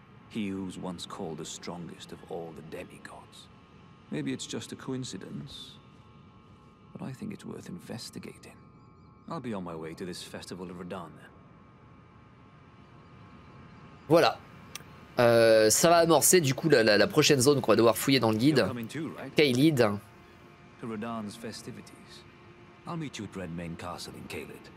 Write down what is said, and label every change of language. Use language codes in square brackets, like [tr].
[en] He who's once called the strongest of all the demigods. Maybe it's just a coincidence, but I think it's worth investigating. I'll be on my way to this festival of Radahn then. [fr] Voilà. Ça va amorcer du coup la prochaine zone qu'on va devoir fouiller dans le guide. [en] Caelid. To Radahn's festivities. I'll meet you at Redmain Castle in Caelid.